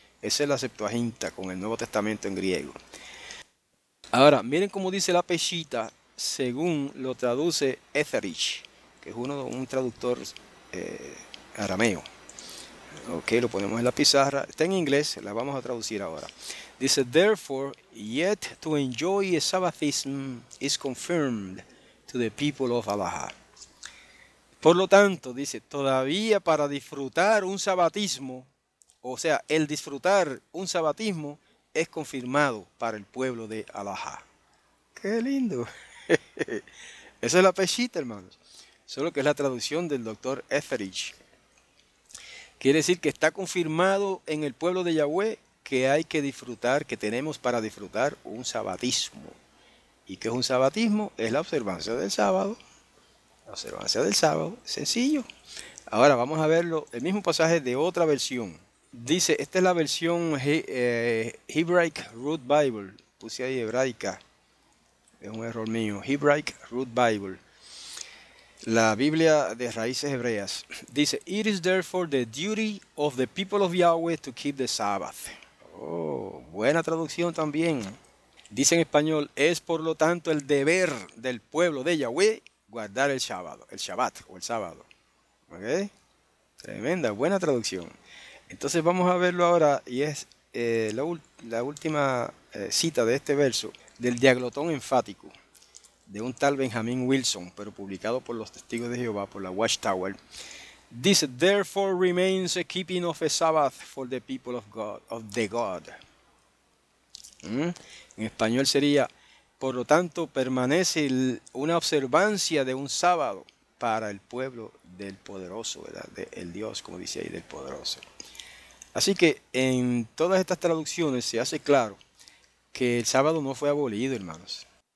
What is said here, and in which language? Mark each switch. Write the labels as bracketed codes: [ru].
[es] Esa es la Septuaginta con el Nuevo Testamento en griego. Ahora, miren cómo dice la Peshitta según lo traduce Etherich, que es un traductor arameo. Ok, lo ponemos en la pizarra. Está en inglés, la vamos a traducir ahora. Dice: [en] Therefore, yet to enjoy a Sabbathism is confirmed to the people of Allah. [es] Por lo tanto, dice, todavía para disfrutar un sabatismo, o sea, el disfrutar un sabatismo es confirmado para el pueblo de Alajá. ¡Qué lindo! Esa es la pechita, hermanos. Solo que es la traducción del doctor Etheridge. Quiere decir que está confirmado en el pueblo de Yahweh que hay que disfrutar, que tenemos para disfrutar un sabatismo. ¿Y qué es un sabatismo? Es la observancia del sábado. La observancia del sábado, sencillo. Ahora vamos a verlo, el mismo pasaje de otra versión. Dice, esta es la versión Hebraic Root Bible. Puse ahí hebraica. Es un error mío. Hebraic Root Bible. La Biblia de raíces hebreas. Dice: [en] It is therefore the duty of the people of Yahweh to keep the Sabbath. [es] Oh, buena traducción también. Dice en español: Es por lo tanto el deber del pueblo de Yahweh guardar el sábado, el Shabbat o el sábado. ¿Okay? Tremenda, buena traducción. Entonces vamos a verlo ahora y es la última cita de este verso del Diaglotón Enfático de un tal Benjamin Wilson, pero publicado por los Testigos de Jehová, por la Watchtower. Dice: [en] Therefore remains a keeping of a Sabbath for the people of God, of the God. [es] En español sería: Por lo tanto, permanece una observancia de un sábado para el pueblo del poderoso, ¿verdad? El Dios, como dice ahí, del poderoso. Así que en todas estas traducciones se hace claro que el sábado no fue abolido, hermanos.